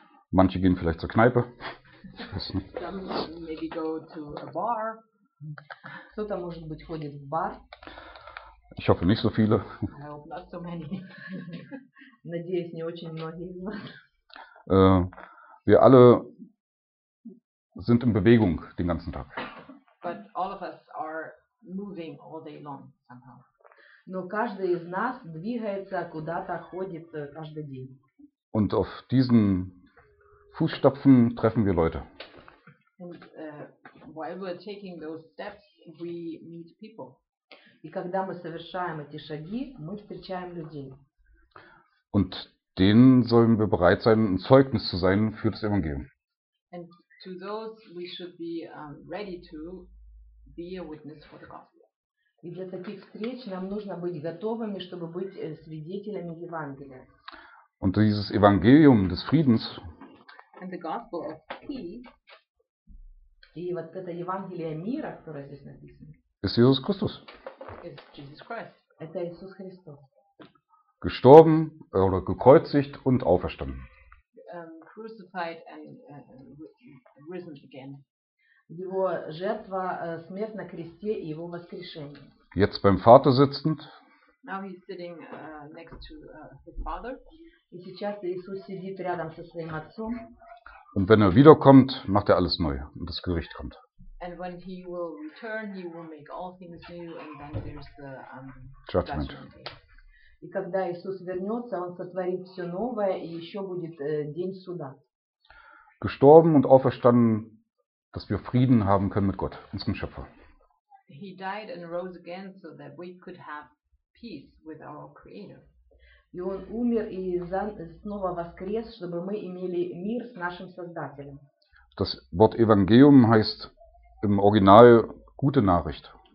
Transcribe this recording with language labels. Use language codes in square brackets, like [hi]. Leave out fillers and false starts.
[de] Manche gehen vielleicht zur Kneipe. [en] Some maybe go to a bar. [ru] Кто-то, может быть, ходит в бар. [de] Ich hoffe, nicht so viele. [en] I hope not so many. [ru] Надеюсь, не очень многие из вас. [de] Wir alle sind in Bewegung den ganzen Tag. [en] But all of us are moving all day long somehow. [ru] Но каждый из нас двигается куда-то, ходит каждый день. [de] Und auf diesen Fußstapfen treffen wir Leute. [en] And while we're taking those steps, we meet people. [ru] И когда мы совершаем эти шаги, мы встречаем людей. [de] Und denen sollen wir bereit sein, ein Zeugnis zu sein für das Evangelium. [en] And to those we should be ready to be a witness for the gospel. [ru] И для таких встреч нам нужно быть готовыми, чтобы быть свидетелями Евангелия. [de] Und dieses Evangelium des Friedens. [en] And the gospel of peace. [ru] И вот это Евангелие мира, которое здесь написано. [de] Ist Jesus Christus. [en] Is Jesus Christ. [ru] Это Иисус Христос. [de] Gestorben oder gekreuzigt und auferstanden. [en] Crucified and risen again. [ru] Его жертва, смерть на кресте и его воскрешение. [de] Jetzt beim Vater sitzend. [en] Now he's sitting next to his father. [ru] И сейчас Иисус сидит рядом со своим отцом. [de] Und wenn er wiederkommt, macht er alles neu und das Gericht kommt. [en] And when he will return, he will make all things new and then there's the judgment. [ru] И когда Иисус вернется, он сотворит все новое и еще будет день суда. [de] Gestorben und auferstanden, dass wir Frieden haben können mit Gott, unserem Schöpfer. [en] He died and rose again so that we could have peace with our Creator. [ru] И он умер и снова воскрес, чтобы мы имели мир с нашим Создателем. [de] Das Wort Evangelium heißt im Original gute Nachricht.